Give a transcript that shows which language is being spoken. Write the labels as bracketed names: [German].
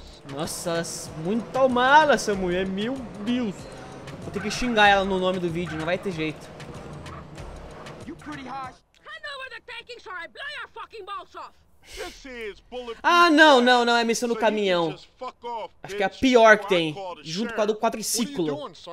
[Portuguese] Nossa, muito mala essa mulher, meu Deus. Vou ter que xingar ela no nome do vídeo, não vai ter jeito. [English] pretty harsh. Hand over the tankings or I blow your fucking balls off. This is bulletproof. [Portuguese] Ah, não, não, não, é a missão do caminhão. Acho que é a pior que tem, junto com a do quadriciclo.